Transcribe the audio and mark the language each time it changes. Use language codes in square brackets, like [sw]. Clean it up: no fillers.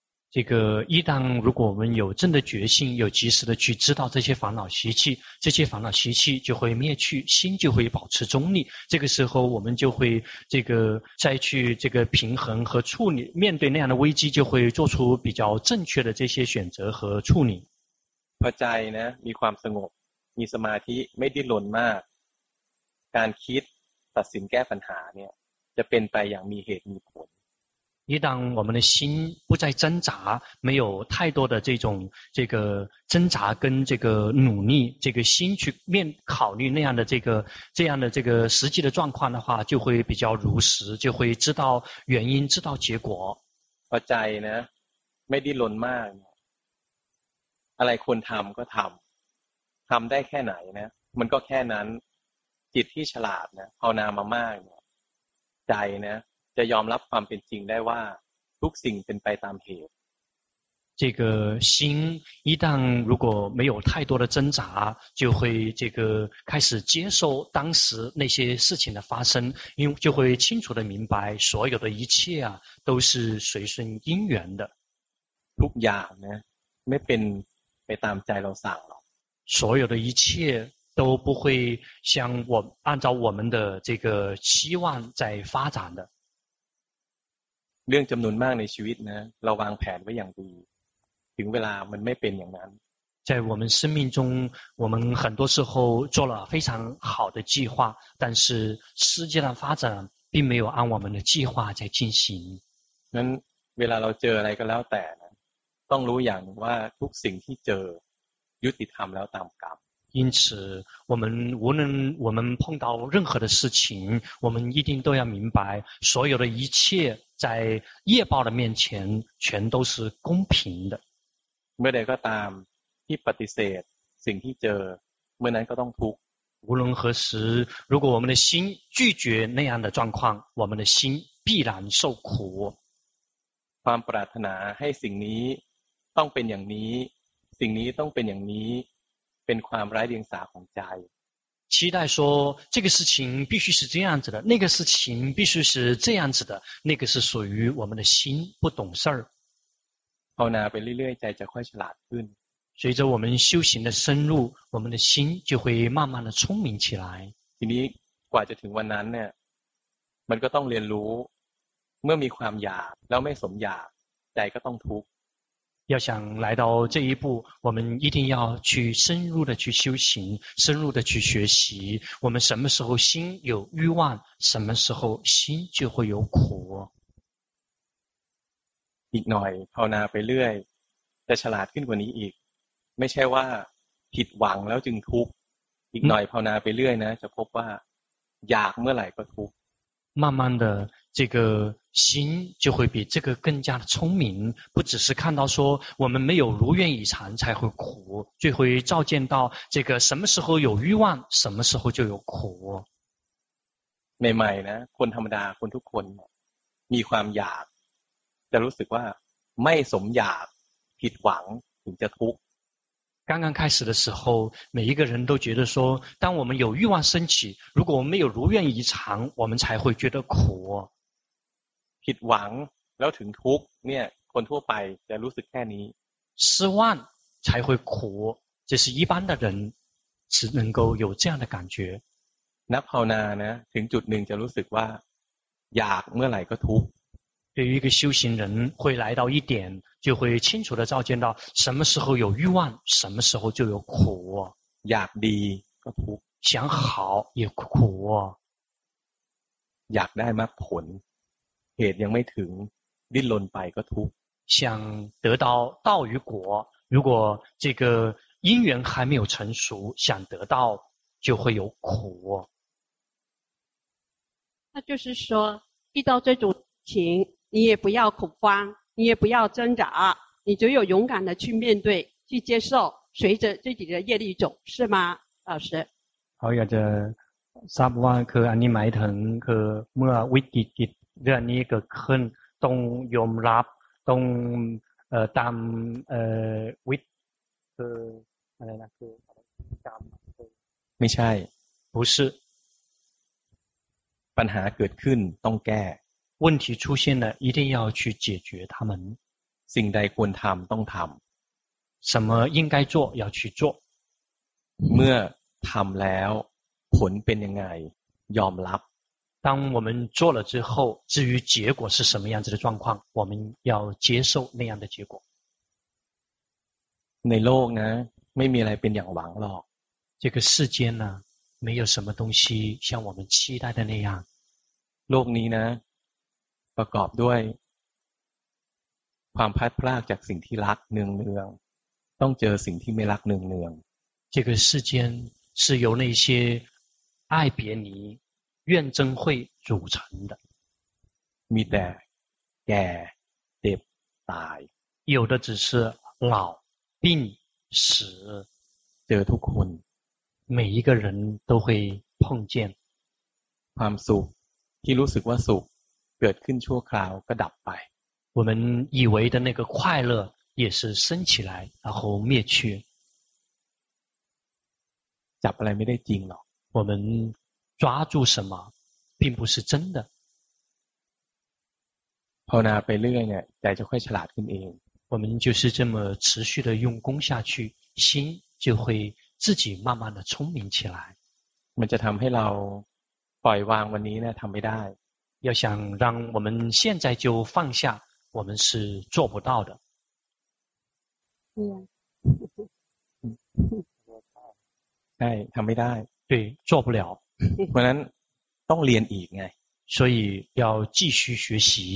[zh] 这个一旦如果我们有真的决心，有及时的去知道这些烦恼习气，这些烦恼习气就会灭去，心就会保持中立。这个时候我们就会这个再去这个平衡和处理，面对那样的危机就会做出比较正确的这些选择和处理。 [th] พอใจนะมีความสงบมีสมาธิไม่ได้หล่นมากการคิดตัดสินแก้ปัญหาเนี่ยจะเป็นไปอย่างมีเหตุมีผล [zh] 一旦我们的心不再挣扎，没有太多的这种这个挣扎跟这个努力，这个心去面考虑那样的这个这样的这个实际的状况的话，就会比较如实，就会知道原因，知道结果。 [th] พอใจนะไม่ได้หล่นมากอะไรควรทำก็ทำทำได้แค่ไหนนะมันก็แค่นั้นจิตที่ฉลาดนะภาวนามามากเนี่ยใจนะจะยอมรับความเป็นจริงได้ว่าทุกสิ่งเป็นไปตามเหตุ [zh] 这个心一旦如果没有太多的挣扎，就会这个开始接受当时那些事情的发生，因为就会清楚的明白所有的一切啊都是随顺因缘的。 [th] ทุกอย่างนะไม่เป็นไปตามใจเราสั่งหรอก [zh] 所有的一切都不会像我按照我们的这个期望在发展的 [th] เรื่องจำนวนมากในชีวิตนะเราวางแผนไว้อย่างดีถึงเวลามันไม่เป็นอย่างนั้น [zh] 在我们生命中我们很多时候做了非常好的计划但是世界的发展并没有按我们的计划在进行 [th] นั้นเวลาเราเจออะไรก็แล้วแต่ต้องรู้อย่างว่าทุกสิ่งที่เจอยุติธรรมแล้วตามกรรม [zh] 因此我们无论我们碰到任何的事情我们一定都要明白所有的一切在业报的面前全都是公平的 [th] เมื่อใดก็ตามที่ปฏิเสธสิ่งที่เจอเมื่อนั้นก็ต้องทุกข์ [zh] 无论何时如果我们的心拒绝那样的状况我们的心必然受苦 [th] ความปรารถนาให้สิ่งนี้ต้องเป็นอย่างนี้สิ่งนี้ต้องเป็นอย่างนี้เป็นความไร้เดียงสาของใจ [zh] 期待说这个事情必须是这样子的那个事情必须是这样子的那个是属于我们的心不懂事儿 [th] ภาวนาไปเรื่อยๆใจจะค่อยฉลาดขึ้น [zh] 随着我们修行的深入我们的心就会慢慢的聪明起来 [th] ทีนี้กว่าจะถึงวันนั้นเนี่ยมันก็ต้องเรียนรู้เมื่อมีความอยากแล้วไม่สมอยากใจก็ต้องทุกข์ [zh] 要想来到这一步我们一定要去深入的去修行深入的去学习我们什么时候心有欲望什么时候心就会有苦 [th] อีกหน่อยภาวนาไปเรื่อยจะฉลาดขึ้นกว่านี้อีกไม่ใช่ว่าผิดหวังแล้วจึงทุกข์อีกหน่อยภาวนาไปเรื่อยนะจะพบว่าอยากเมื่อไหร่ก็ทุกข์ [zh] 慢慢的这个心就会比这个更加的聪明不只是看到说我们没有如愿以偿才会苦就会照见到这个什么时候有欲望什么时候就有苦 [th] ใหม่ๆนะคนธรรมดาคนทุกคนมีความอยากจะรู้สึกว่าไม่สมอยากผิดหวังถึงจะทุกข์ [zh] 刚刚开始的时候每一个人都觉得说当我们有欲望升起如果我们没有如愿以偿我们才会觉得苦 [th] ผิดหวังแล้วถึงทุกข์เนี่ยคนทั่วไปจะรู้สึกแค่นี้ [zh] 失望才会苦这是一般的人只能够有这样的感觉 [th] นักภาวนานะถึงจุดหนึ่งจะรู้สึกว่าอยากเมื่อไหร่ก็ทุกข์ [zh] 对于一个修行人会来到一点就会清楚的照见到什么时候有欲望什么时候就有苦 [th] อยากดีก็ทุกข์ [zh] 想好也苦 [th] อยากได้มากผลเหตุยังไม่ถึงดิ้นรนไปก็ทุกข์ [zh] 想得到道与果如果这个因缘还没有成熟想得到就会有苦那就是说遇到这种情你也不要恐慌你也不要挣扎你就有勇敢的去面对去接受随着自己的业力走是吗老师 [th] 好อยากจะทราบว่าคืออันนี้หมายถึงคือเมื่อวิกฤตเรื่องนี้เกิดขึ้นต้องยอมรับต้องตามวิทย์คืออะไรนะคือจำ ไม่ใช่ [zh] 不是 [th] ปัญหาเกิดขึ้นต้องแก้ [zh] 问题出现了一定要去解决它们 [th] สิ่งใดควรทำต้องทำ [zh] 什么应该做要去做 [th] เมื่อทำแล้วผลเป็นยังไงยอมรับ [zh] 当我们做了之后至于结果是什么样子的状况我们要接受那样的结果 [th] ในโลกนะไม่มีอะไรเป็นอย่างหวังหรอก [zh] 这个世间呢没有什么东西像我们期待的那样 [th] โลกนี้นะประกอบด้วยความพลาดพลาดจากสิ่งที่รักเนืองๆต้องเจอสิ่งที่ไม่รักเนือง [zh] ๆ这个世间是由那些爱别离怨憎会组成的 [th] มีแต่แก่เจ็บตาย [zh] 有的只是老病死 [th] เจอทุกคน [zh] 每一个人都会碰见 [th] ความสุขที่รู้สึกว่าสุขเกิดขึ้นชั่วคราวก็ดับไป [zh] 我们以为的那个快乐也是升起来然后灭去 [th] จับอะไรไม่ได้จริงหรอก [zh] 我们抓住什么并不是真的 [th] ภาวนาไปเรื่อยเนี่ยใจจะค่อยฉลาดขึ้นเอง [zh] 我们就是这么持续的用功下去心就会自己慢慢的聪明起来 [th] มันจะทำให้เราปล่อยวางวันนี้เนี่ยทำไม่ได้ [zh] 要想让我们现在就放下我们是做不到的 [th] ใช่ทำไม่ได้ [zh] 对做不了 [th] เพราะนั้นต้องเรียนอีกไง [zh] 所以要继续学习